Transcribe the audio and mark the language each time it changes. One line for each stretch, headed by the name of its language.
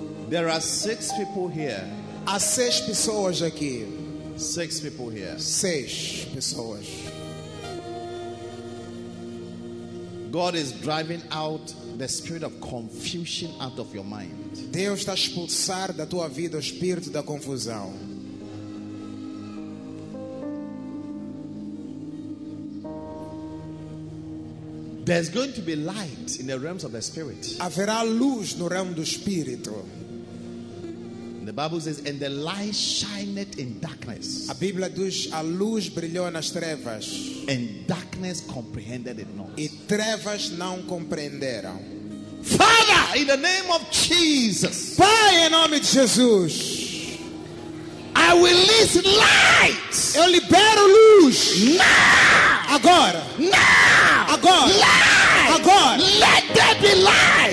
English: There are six people here.
Portuguese: Há seis pessoas aqui.
English: Six people here.
Portuguese: Seis pessoas.
English: God is driving out the spirit of confusion out of your mind.
Portuguese: Deus está a expulsar da tua vida o espírito da confusão.
English: There's going to be light in the realms of the spirit.
Portuguese: Haverá luz no reino do espírito.
English: The Bible says, "And the light shineth in darkness."
Portuguese: A Bíblia diz, a luz brilhou nas trevas.
English: And darkness comprehended it not.
Portuguese: E trevas não compreenderam.
English: Father, in the name of Jesus.
Portuguese: Pai, em nome de Jesus.
English: I release light.
Portuguese: Eu libero luz.
English: Now.
Portuguese: Agora.
English: Now.
Portuguese: Agora.
English: Light.
Portuguese: Agora.
English: Let there be light.